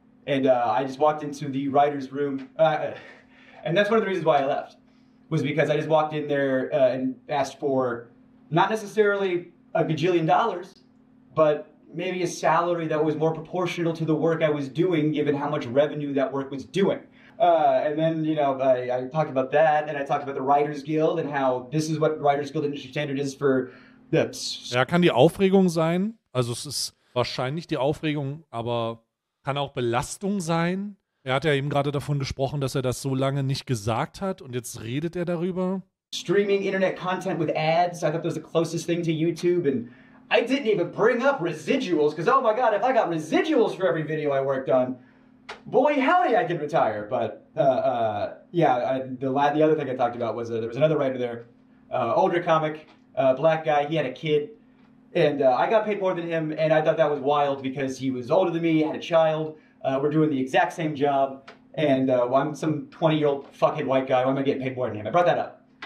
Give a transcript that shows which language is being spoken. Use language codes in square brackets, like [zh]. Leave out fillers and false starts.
[en] And I just walked into the writer's room. And that's one of the reasons why I left, was because I just walked in there and asked for not necessarily a gajillion dollars, but maybe a salary that was more proportional to the work I was doing, given how much revenue that work was doing. And then I talked about that, and I talked about the Writers Guild and how this is what Writers Guild industry standard is for the... [de] Ja, kann die Aufregung sein. Also es ist wahrscheinlich die Aufregung, aber kann auch Belastung sein. Er hat ja eben gerade davon gesprochen, dass er das so lange nicht gesagt hat und jetzt redet er darüber. [en] Streaming internet content with ads. I thought that was the closest thing to YouTube, and I didn't even bring up residuals, because oh my God, if I got residuals for every video I worked on, boy, howdy, I could retire. But the other thing I talked about was there was another writer there, older comic, black guy, he had a kid, and I got paid more than him, and I thought that was wild because he was older than me, had a child, we're doing the exact same job, and well, I'm some 20-year-old fucking white guy, why am I getting paid more than him? I brought that up.